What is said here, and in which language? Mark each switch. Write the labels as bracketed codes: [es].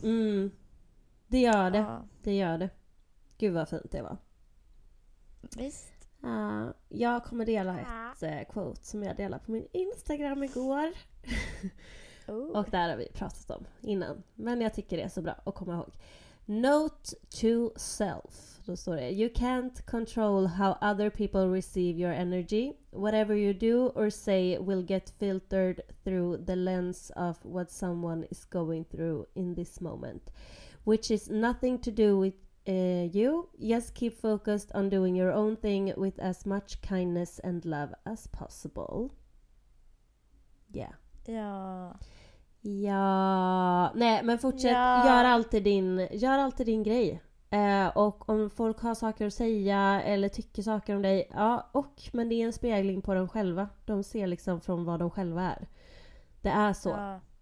[sv] Mm. Det gör det. Ja. Det gör det. Gud vad fint det var. Visst. Jag kommer dela ett quote som jag delade på min Instagram igår. Och där har vi pratat om innan. Men jag tycker det är så bra att komma ihåg. [en] Note to self. [sv] Då står det. [en] You can't control how other people receive your energy. Whatever you do or say will get filtered through the lens of what someone is going through in this moment. Which is nothing to do with you. Just keep focused on doing your own thing with as much kindness and love as possible. Yeah. [sv] Ja. Ja, nej, men fortsätt gör alltid din grej. Och om folk har saker att säga eller tycker saker om dig, ja, och men det är en spegling på dem själva. De ser liksom från vad de själva är. Det är så. Ja.